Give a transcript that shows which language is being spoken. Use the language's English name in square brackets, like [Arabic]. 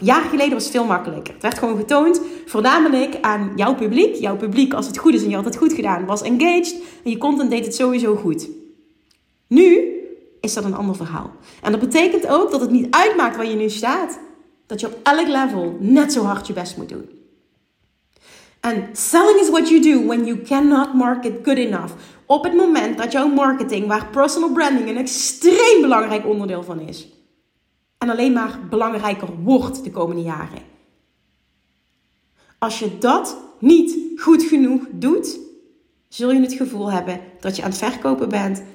[Dutch] Jaar geleden was het veel makkelijker. Het werd gewoon getoond, voornamelijk aan jouw publiek. Jouw publiek, als het goed is en je had het goed gedaan, was engaged. En je content deed het sowieso goed. Nu is dat een ander verhaal. En dat betekent ook dat het niet uitmaakt waar je nu staat. Dat je op elk level net zo hard je best moet doen. En [English] selling is what you do when you cannot market good enough. [Dutch] Op het moment dat jouw marketing, waar personal branding een extreem belangrijk onderdeel van is, en alleen maar belangrijker wordt de komende jaren. Als je dat niet goed genoeg doet, zul je het gevoel hebben dat je aan het verkopen bent.